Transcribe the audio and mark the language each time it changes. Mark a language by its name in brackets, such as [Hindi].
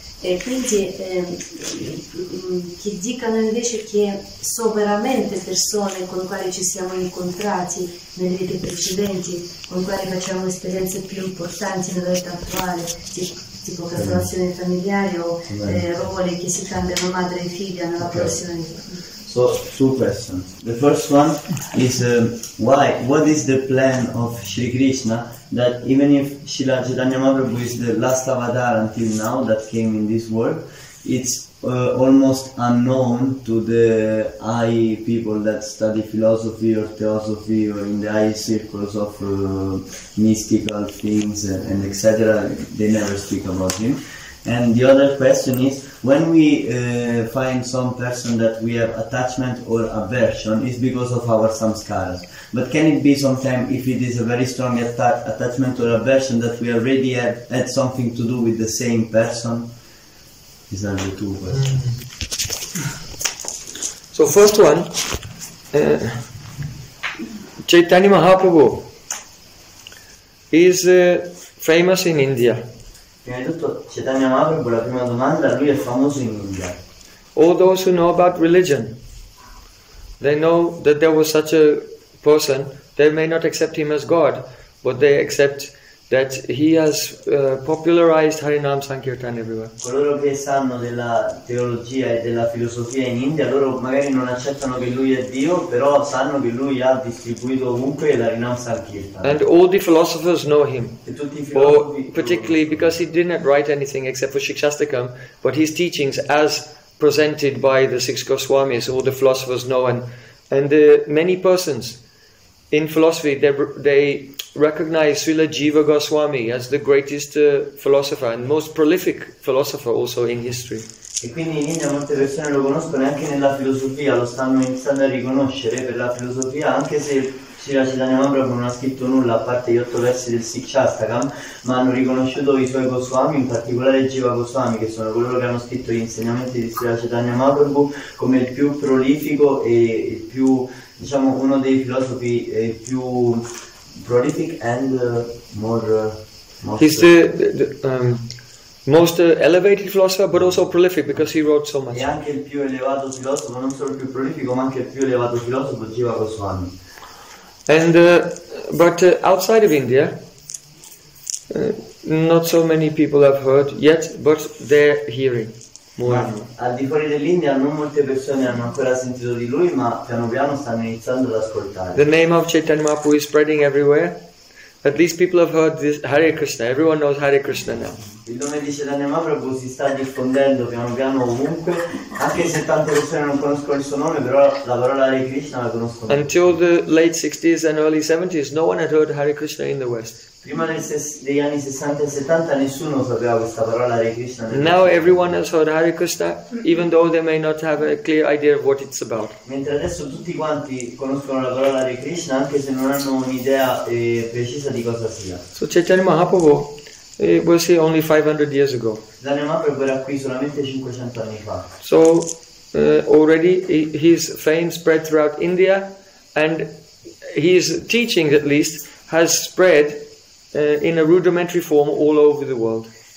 [Italian] E quindi che dicano invece che sono veramente persone con quali ci siamo incontrati nelle vite precedenti, con quali facciamo esperienze più importanti nella vita attuale, tipo costellazioni familiari o ruoli che si cambiano madre e figlia nella prossima vita. [English] So two questions. The first one is what is the plan of Sri Krishna that even if Srila Chaitanya Mahaprabhu is the last avatar until now that came in this world, it's almost unknown to the high people that study philosophy or theosophy or in the high circles of mystical things and etc. They never speak about him. And the other question is, when we find some person that we have attachment or aversion, it's because of our samskaras. But can it be sometimes, if it is a very strong attachment or aversion, that we already had something to do with the same person? These are the two questions. Mm. So first one, Chaitanya Mahaprabhu is famous in India. [Italian] Prima di tutto, Chaitanya Mahaprabhu, la prima domanda, lui è famoso in India. [English] All those who know about religion, they know that there was such a person, they may not accept him as God, but they accept that he has popularized Harinam Sankirtan everywhere. [Italian] Coloro che sanno della teologia e della filosofia in India, loro magari non accettano che lui è Dio, però sanno che lui ha distribuito ovunque l'Harinam Sankirtan. [English] And all the philosophers know him. [Italian] E tutti I filosofi, [English] particularly because he didn't write anything except for Shikshastakam, but his teachings as presented by the six Goswamis, all the philosophers know, and many persons in philosophy, they recognize Srila Jiva Goswami as the greatest philosopher and most prolific philosopher also in history. [Italian] E quindi in India molte persone lo conoscono e anche nella filosofia lo stanno iniziando a riconoscere per la filosofia, anche se Srila Chaitanya Mahaprabhu non ha scritto nulla a parte gli otto versi del Shikshastakam, ma hanno riconosciuto I suoi Goswami, in particolare Jiva Goswami, che sono coloro che hanno scritto gli insegnamenti di Srila Chaitanya Mahaprabhu, come il più prolifico e il più, diciamo, uno dei filosofi più [English] prolific and more he's the most elevated philosopher but also prolific because he wrote so much. [Italian] E anche il più elevato filosofo, non solo il più prolifico ma anche il più elevato filosofo, Jiva Goswami. [English] And but outside of India not so many people have heard yet, but they're hearing. [Italian] Al di fuori dell'India non molte persone hanno ancora sentito di lui, ma piano piano stanno iniziando ad ascoltare. [English] The name of Chaitanya Mahaprabhu is spreading everywhere. At least people have heard this Hare Krishna. Everyone knows Hare Krishna now. [Italian] Il nome di Chaitanya Mahaprabhu si sta diffondendo piano piano ovunque, anche se tante persone non conoscono il suo nome, però la parola Hare Krishna la conoscono. [English] Until the late 60s and early 70s, no one had heard Hare Krishna in the West. [Italian] Prima degli anni 60 e 70 nessuno sapeva questa parola Hare Krishna. [English] Now everyone has heard Hare Krishna, even though they may not have a clear idea of what it's about. [Italian] Mentre adesso tutti quanti conoscono la parola Hare Krishna, anche se non hanno un'idea precisa di cosa sia. [English] So Chaitanya Mahaprabhu, it was here only 500 years ago. [Italian] Chaitanya Mahaprabhu era qui solamente 500 anni fa. [English] So already his fame spread throughout India, and his teaching at least has spread in a rudimentary form all over the world.